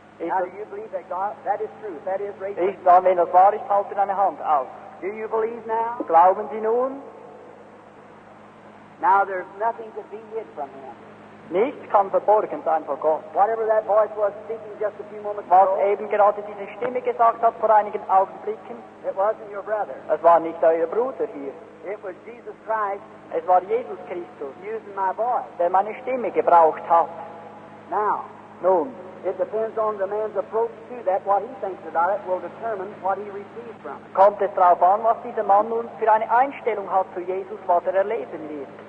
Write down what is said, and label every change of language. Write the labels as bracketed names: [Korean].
[English] Now, do you believe that God, that is true, that is right? [German] Ich sage, wenn das wahr ist, halte deine Hand auf. [English] Do you believe now? [German] Glauben Sie nun? [English] Now there's nothing to be hid from him. [German] Nichts kann verborgen sein vor Gott. [English] Whatever that voice was speaking just a few moments [German] was [English] ago. [German] Was eben gerade diese Stimme gesagt hat vor einigen Augenblicken. [English] It wasn't your brother. [German] Es war nicht euer Bruder hier. [English] It was Jesus Christ. [German] Es war Jesus Christus. [English] Using my voice. [German] Der meine Stimme gebraucht hat. [English] Now. [German] Nun. [English] It depends on the man's approach to that. What he thinks about it will determine what he receives from it. [German] Kommt es darauf an, was dieser Mann nun für eine Einstellung hat zu Jesus, was erleben wird.